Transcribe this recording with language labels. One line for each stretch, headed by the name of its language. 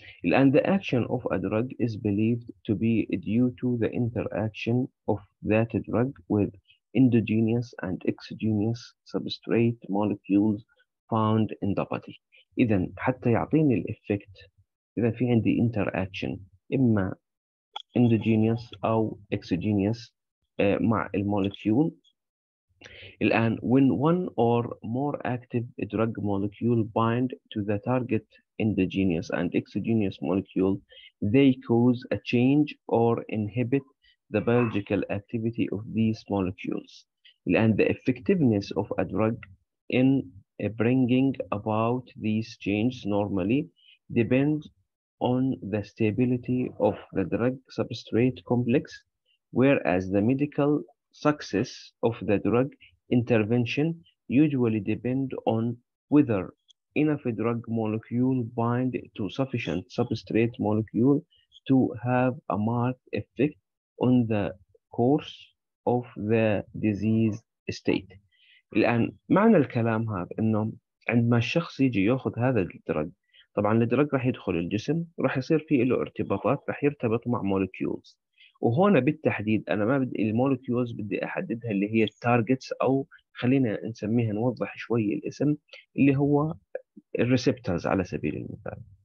English: الآن the action of a drug is believed to be due to the interaction of that drug with endogenous and exogenous substrate molecules found in the body.
Arabic: إذن حتى يعطيني الإفكت، إذا في عندي interaction إما endogenous أو exogenous مع المولكيول.
English: الآن when one or more active drug molecule bind to the target endogenous and exogenous molecule, they cause a change or inhibit the biological activity of these molecules. And the effectiveness of a drug in bringing about these changes normally depends on the stability of the drug substrate complex, whereas the medical success of the drug intervention usually depends on whether enough drug molecule bind to sufficient substrate molecule to have a marked effect on the course of the disease state.
Arabic: الآن معنى الكلام هذا إنه عندما الشخص يجي يأخذ هذا الدرج، طبعا الدرج راح يدخل الجسم، راح يصير فيه له ارتباطات، راح يرتبط مع molecules. وهنا بالتحديد أنا ما بدي المولكيولز بدي أحددها اللي هي التارجتس، أو خلينا نسميها نوضح شوي الاسم اللي هو الريسبتورز على سبيل المثال.